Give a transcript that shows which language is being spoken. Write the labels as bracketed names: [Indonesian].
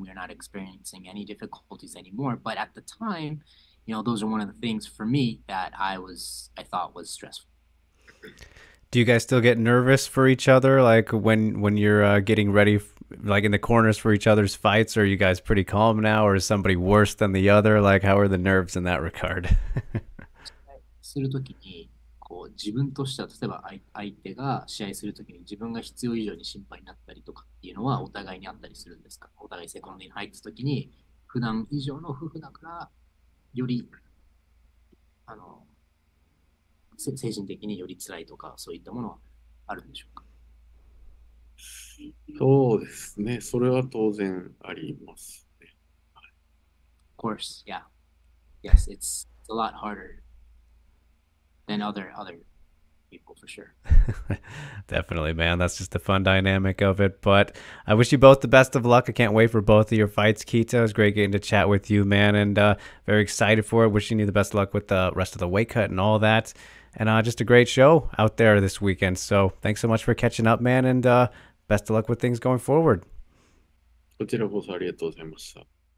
[English] We're not experiencing any difficulties anymore. But at the time, you know, those are one of the things for me that I thought was stressful. Do you guys still get nervous for each other, like when you're getting ready, like in the corners for each other's fights? Or are you guys pretty calm now, or is somebody worse than the other? Like, how are the nerves in that regard? [Japanese] するときに、こう自分としては、例えば相手が試合するときに自分が必要以上に心配になったりとかっていうのはお互いにあったりするんですか？お互いセコンドに入ったときに、普段以上の夫婦だからより精神的により辛いとか、そういったものはあるんでしょうか？そうですね。それは当然あります、ね。 [English] Of course, yeah. Yes, it's a lot harder than other people, for sure. Definitely, man. That's just the fun dynamic of it. But I wish you both the best of luck. I can't wait for both of your fights, Keita. It was great getting to chat with you, man. And very excited for it. Wishing you the best of luck with the rest of the weight cut and all that. And just a great show out there this weekend. So thanks so much for catching up, man. And best of luck with things going forward. [Japanese] こちらこそありがとうございました。